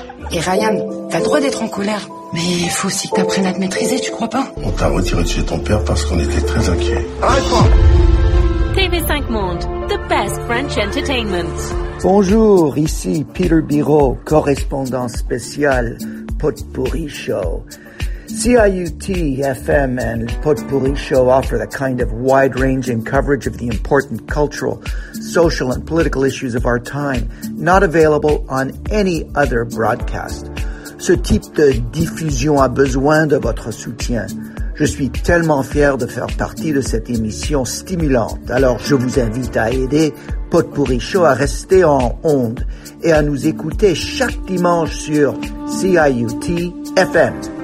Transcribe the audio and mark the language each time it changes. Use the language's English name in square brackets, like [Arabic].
[French] Et Ryan, t'as le droit d'être en colère. Mais il faut aussi que t'apprennes à te maîtriser, tu crois pas? On t'a retiré de chez ton père parce qu'on était très inquiets. Arrête-toi! [English] TV5 Monde, the best French entertainment. [French] Bonjour, ici Peter Biro, correspondant spécial Potpourri Show. [English] CIUT FM and Potpourri Show offer the kind of wide-ranging coverage of the important cultural, social, and political issues of our time, not available on any other broadcast. [French] Ce type de diffusion a besoin de votre soutien. Je suis tellement fier de faire partie de cette émission stimulante. Alors, je vous invite à aider Potpourri Show à rester en onde et à nous écouter chaque dimanche sur CIUT FM.